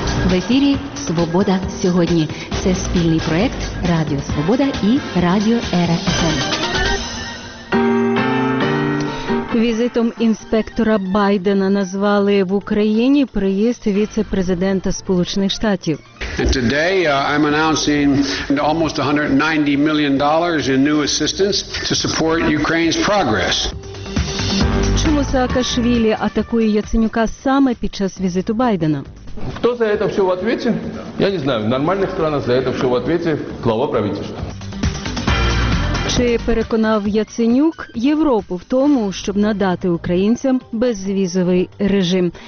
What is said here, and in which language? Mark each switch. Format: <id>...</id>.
<uk>В ефірі «Свобода сьогодні». Це спільний проєкт «Радіо Свобода» і «Радіо РФМ». Візитом інспектора Байдена назвали в Україні приїзд віце-президента Сполучених Штатів.</uk> <en>Today I'm announcing almost $190 million in new assistance to support Ukraine's progress.</en> <uk>Чому Саакашвілі атакує Яценюка саме під час візиту Байдена? Хто за це все в ответі? Я не знаю, в нормальних країнах за це все в ответі глава правительства. Чи переконав Яценюк Європу в тому, щоб надати українцям безвізовий режим?</uk>